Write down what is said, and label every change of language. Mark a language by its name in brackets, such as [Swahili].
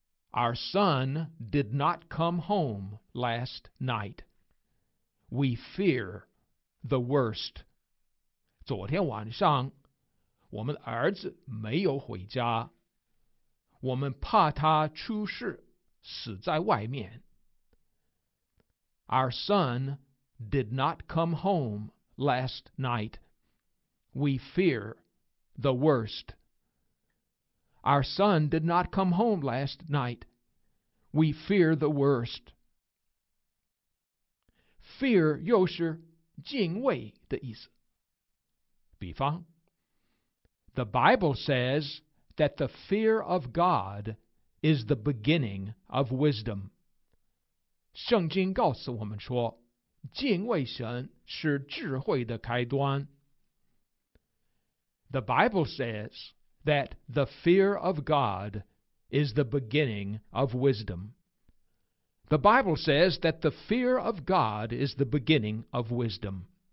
[English] Our son did not come home last night. We fear the worst. [Chinese] 昨天晚上，我们儿子没有回家，我们怕他出事，死在外面。 [English] Our son did not come home last night. We fear the worst. Our son did not come home last night. We fear the worst. [Chinese] Fear 又是敬畏的意思。 [English] 比方， The Bible says that the fear of God is the beginning of wisdom. [Chinese] 圣经告诉我们说，敬畏神是智慧的开端。 [English] The Bible says that the fear of God is the beginning of wisdom. The Bible says that the fear of God is the beginning of wisdom.